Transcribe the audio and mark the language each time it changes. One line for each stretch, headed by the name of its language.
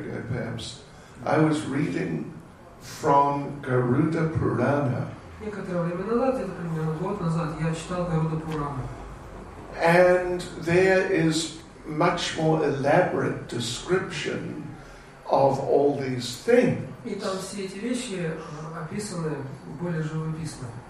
English: Not long ago, maybe a year ago, perhaps, I was reading from Garuda Purana.
Russian: Некоторое время назад, это примерно год назад, я читал Garuda Purana.
English: And there is much more elaborate description of all these things.
Russian: И там все эти вещи описаны более живописно.